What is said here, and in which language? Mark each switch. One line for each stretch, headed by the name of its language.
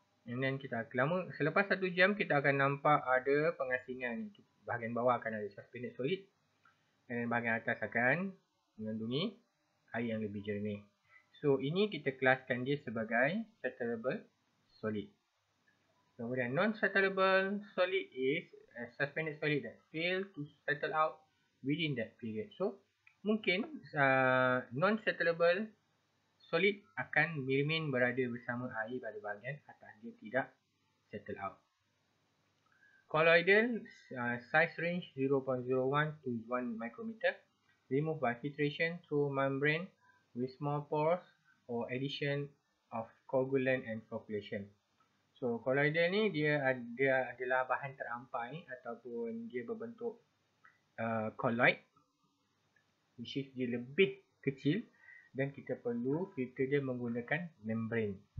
English: And then
Malay: kita lama, selepas 1 jam kita akan nampak ada pengasingan. Bahagian bawah akan ada suspended solid, dan bahagian atas akan mengandungi air yang lebih jernih. So ini kita kelaskan dia sebagai settleable solid.
English: Kemudian non-settleable solid is suspended solid that fail to settle out within that period.
Malay: So mungkin non-settleable solid akan remain berada bersama air pada bahagian atas, dia tidak settle out.
English: Colloidal size range 0.01 to 1 micrometer. Remove by filtration through membrane with small pores or addition of coagulant and flocculation.
Malay: So colloidal ni dia adalah bahan terampai ataupun dia berbentuk colloid,
English: which is
Malay: dia lebih kecil dan kita perlu filter dia menggunakan membrane.